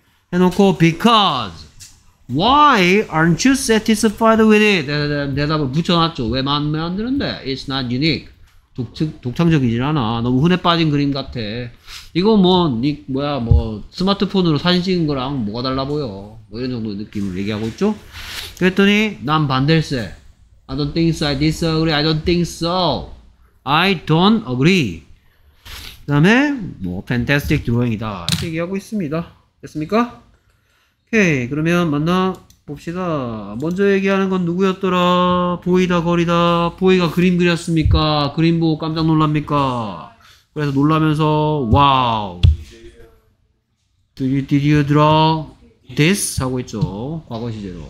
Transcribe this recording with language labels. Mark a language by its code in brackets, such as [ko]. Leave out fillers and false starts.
[ko] 해놓고 [en] because why aren't you satisfied with it? [ko] 대답을 붙여놨죠. 왜 마음에 안 드는데? [en] It's not unique. [ko] 독창적이질 않아. 너무 흔해 빠진 그림 같아. 이거 뭐, 니, 뭐야, 뭐, 스마트폰으로 사진 찍은 거랑 뭐가 달라 보여. 뭐 이런 정도의 느낌을 얘기하고 있죠? 그랬더니, 난 반댈세. [en] I don't think so. I disagree. I don't think so. I don't agree. [ko] 그 다음에, 뭐, [en] fantastic drawing이다. [ko] 이렇게 얘기하고 있습니다. 됐습니까? 오케이. 그러면 만나 봅시다. 먼저 얘기하는 건 누구였더라? 보이다, 거리다. 보이가 그림 그렸습니까? 그림 보고 깜짝 놀랍니까? 그래서 놀라면서, 와우. [en] Did you draw this? [ko] 하고 있죠. 과거 시제로.